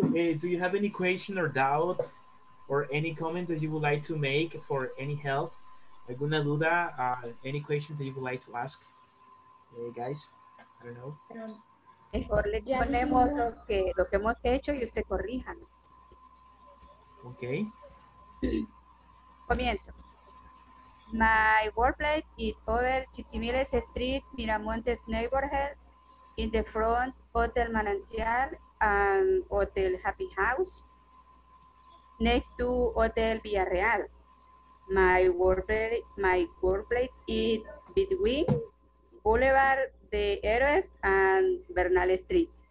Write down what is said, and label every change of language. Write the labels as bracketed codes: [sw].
[en] Do you have any question or doubt or any comment that you would like to make for any help? [es] ¿Alguna duda? [en] Any question that you would like to ask? Guys, I don't know. [es] Mejor le ponemos lo que hemos hecho y usted corríjanos. Ok. Comienzo. [en] My workplace is over Sisimiles Street, Miramontes Neighborhood, in the front Hotel Manantial and Hotel Happy House. next to Hotel Villarreal. My workplace is between Boulevard de Héroes and Bernal Street.